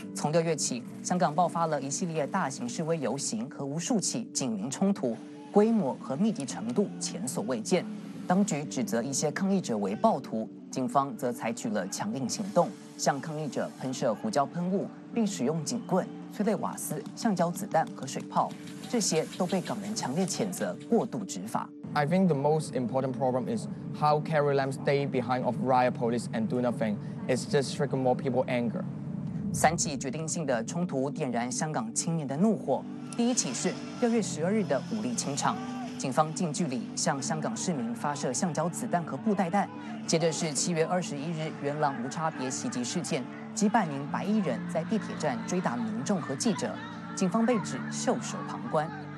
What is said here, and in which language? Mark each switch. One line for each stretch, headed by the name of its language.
Chinese: 从6月起，香港爆发了一系列大型示威游行和无数起警民冲突，规模和密集程度前所未见。当局指责一些抗议者为暴徒，警方则采取了强硬行动，向抗议者喷射胡椒喷雾，并使用警棍、催泪瓦斯、橡胶子弹和水炮，这些都被港人强烈谴责过度执法。
English: I think the most important problem is how Carrie Lam stay behind of riot police and do nothing. It's just trigger more people anger.
Chinese: 三起决定性的冲突点燃香港青年的怒火。第一起是6月12日的武力清场。警方近距离向香港市民发射橡胶子弹和布袋弹，接着是7月21日元朗无差别袭击事件，几百名白衣人在地铁站追打民众和记者，警方被指袖手旁观。